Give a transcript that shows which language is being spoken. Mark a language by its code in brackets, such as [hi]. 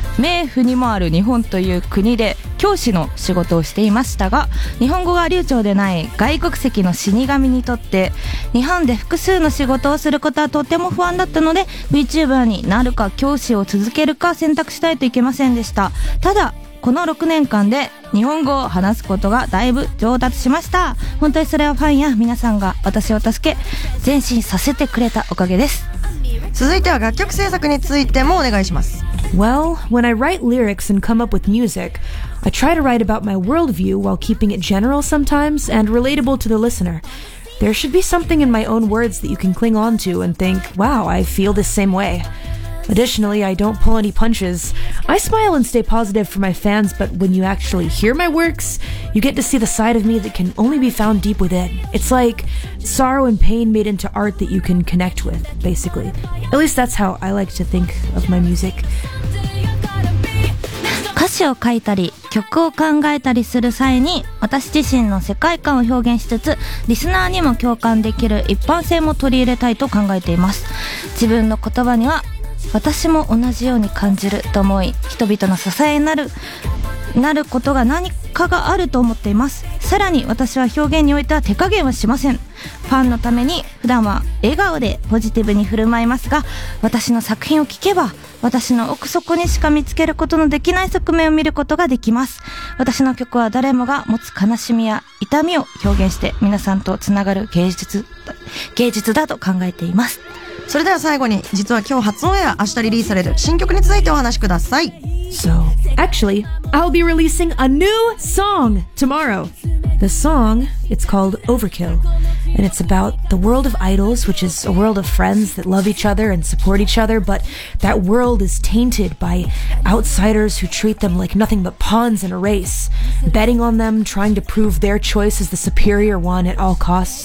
[ja] メイフにもある日本という国で教師の仕事をしていましたが、日本語が流暢でない外国籍の死神にとって日本で複数の仕事をすることはとても不安だったので、 VTuber になるか教師を続けるか選択しないといけませんでした。ただこの6年間で日本語を話すことがだいぶ上達しました。本当にそれはファンや皆さんが私を助け前進させてくれたおかげです。続いては楽曲制作についてもお願いします。 [en] Well, when I write lyrics and come up with music, I try to write about my worldview while keeping it general sometimes and relatable to the listener. There should be something in my own words that you can cling on to and think, wow, I feel the same way. Additionally, I don't pull any punches. I smile and stay positive for my fans, but when you actually hear my works, you get to see the side of me that can only be found deep within. It's like sorrow and pain made into art that you can connect with, basically. At least that's how I like to think of my music. [ja] 歌詞を書いたり曲を考えたりする際に、私自身の世界観を表現しつつ、リスナーにも共感できる一般性も取り入れたいと考えています。自分の言葉には私も同じように感じると思い、人々の支えになることが何かがあると思っています。さらに私は表現においては手加減はしません。ファンのために普段は笑顔でポジティブに振る舞いますが、私の作品を聞けば私の奥底にしか見つけることのできない側面を見ることができます。私の曲は誰もが持つ悲しみや痛みを表現して皆さんとつながる芸術だと考えています。それでは最後に、実は今日初オンエア、明日リリースされる新曲についてお話しください。 [en] So, actually, I'll be releasing a new song tomorrow. The song, it's called Overkill, and it's about the world of idols, which is a world of friends that love each other and support each other, but that world is tainted by outsiders who treat them like nothing but pawns in a race, betting on them, trying to prove their choice is the superior one at all costs.